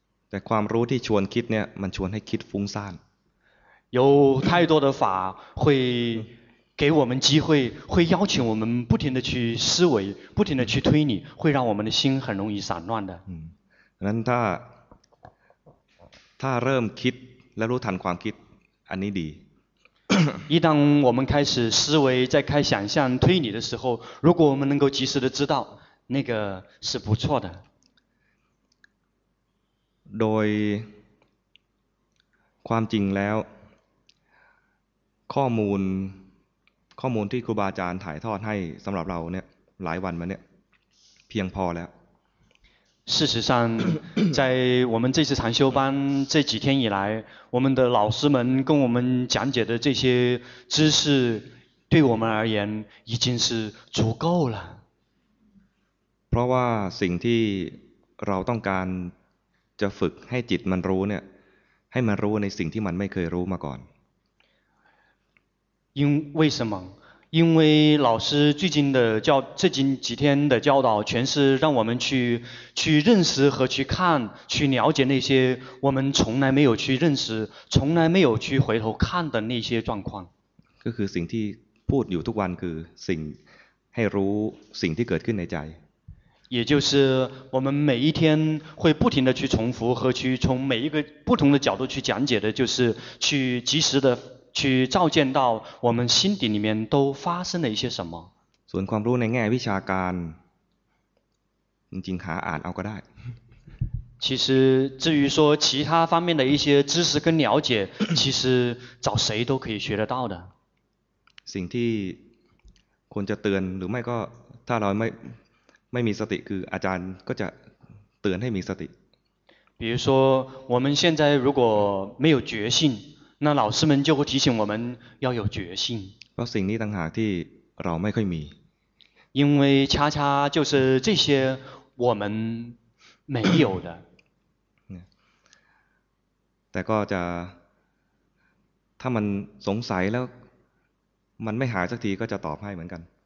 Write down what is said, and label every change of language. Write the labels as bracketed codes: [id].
[th] แต่ความรู้ที่ชวนคิดเนี่ยมันชวนให้คิดฟุ้งซ่าน [zh] 有太多的法会给我们机会，会邀请我们不停的去思维，不停的去推理，会让我们的心很容易散乱的。 [th] นั้นถ้าเริ่มคิดและรู้ทันความคิดอันนี้ดี [zh] 一旦我们开始思维，在开想象推理的时候，如果我们能够及时的知道，那个是不错的。 [th] โดยความจริงแล้วข้อมูลที่ครูบาอาจารย์ถ่ายทอดให้สำหรับเราเนี่ยหลายวันมาเนี่ยเพียงพอแล้ว [zh] 事实上在我们这次禅修班这几天以来我们的老师们跟我们讲解的这些知识对我们而言已经是足够了 [th] เพราะว่าสิ่งที่เราต้องการจะฝึกให้จิตมันรู้เนี่ยให้มันรู้ในสิ่งที่มันไม่เคยรู้มาก่อน [zh] 为什么因为老师最近的教这几天的教导全是让我们去认识和去看去了解那些我们从来没有去认识从来没有去回头看的那些状况 [th] ก็คือสิ่งที่พูดอยู่ทุกวันคือสิ่งให้รู้สิ่งที่เกิดขึ้นในใจ [zh] 也就是我们每一天会不停的去重复和去从每一个不同的角度去讲解的就是去及时的去照见到我们心底里面都发生了一些什么 [th] ส่วนความรู้ในแง่วิชาการจริงๆหาอ่านเอาก็ได้ [zh] 其实至于说其他方面的一些知识跟了解其实找谁都可以学得到的 [th] สิ่งที่ควรจะเตือนหรือไม่ก็ถ้าเราไม่มีสติคืออาจารย์ก็จะเตือนให้มีสติ [zh] 比如说我们现在如果没有决心那老师们就会提醒我们要有决心 [th] เพราะสิ่งนี้ต่างหากที่เราไม่ค่อยมี [zh] 因为恰恰就是这些我们没有的 [th] แต่ก็จะถ้ามันสงสัยแล้วมันไม่หายสักทีก็จะตอบให้เหมือนกัน